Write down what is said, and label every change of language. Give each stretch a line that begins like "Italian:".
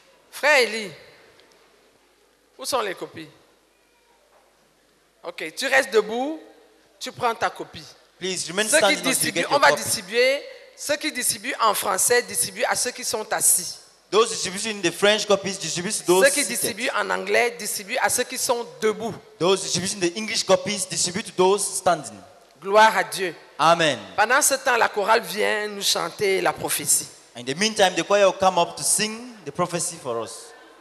French: Frère Elie, où sont les copies? Ok, tu restes debout, tu prends ta copie.
English: Please, remain standing.
French: Ceux qui distribuent, on va distribuer. Ceux qui distribuent en français, distribuent à ceux qui sont assis.
English: Those distributing the French copies, distribue to those.
French: Ceux qui distribuent en anglais, distribuent à ceux qui sont debout.
English: Those distributing the English copies, distribue to those standing.
French: Gloire à Dieu. Amen. Pendant ce temps, la chorale vient nous chanter la prophétie.
English: In the meantime, the choir will come up to sing the prophecy for us.